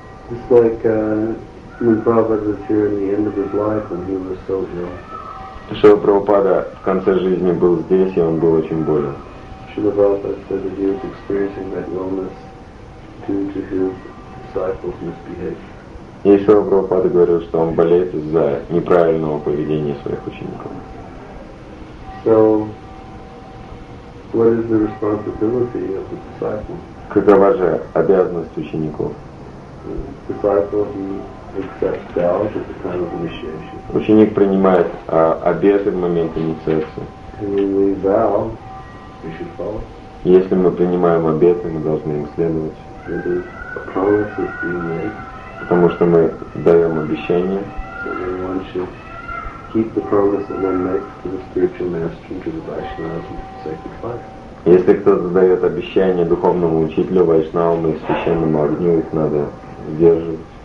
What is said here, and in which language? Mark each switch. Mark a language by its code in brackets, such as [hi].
[en] It's like when Prabhupada was here in the end of his life when he was so ill. [ru] Шрила Прабхупада в конце жизни был здесь, и он был очень болен. [en] Srila Prabhupada said that he was experiencing that illness due to his disciples' misbehavior. [ru] И Шрила Прабхупада говорил, что он болеет из-за неправильного поведения своих учеников. [en] So, what is the responsibility of the disciple? [ru] Какова же обязанность учеников? [en] Disciple, he accepts vows at the time of initiation. [ru] Ученик принимает обеты в момент инициации. [en] And when we vow, we should follow. [ru] Если мы принимаем обеты, мы должны им следовать. [en] It is a promise that's being made. [ru] Потому что мы даем обещание. [en] So everyone should keep the promise that one makes to the spiritual master and to the Vaishnavas and to the sacred fire. [ru] Если кто-то дает обещание духовному учителю, вайшнавам и священному огню, их надо сдерживать.